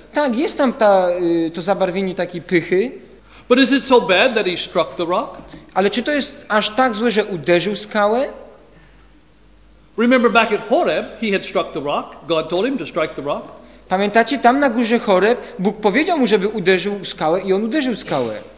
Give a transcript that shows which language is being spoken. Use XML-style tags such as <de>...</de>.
<pl>Tak, jest tam to zabarwienie takiej pychy.</pl> <en>But is it so bad that he struck the rock?</en> <pl>Ale czy to jest aż tak złe, że uderzył skałę?</pl> <en>Remember back at Horeb, he had struck the rock. God told him to strike the rock.</en> <pl>Pamiętacie, tam na górze Horeb, Bóg powiedział mu, żeby uderzył skałę i on uderzył skałę.</pl>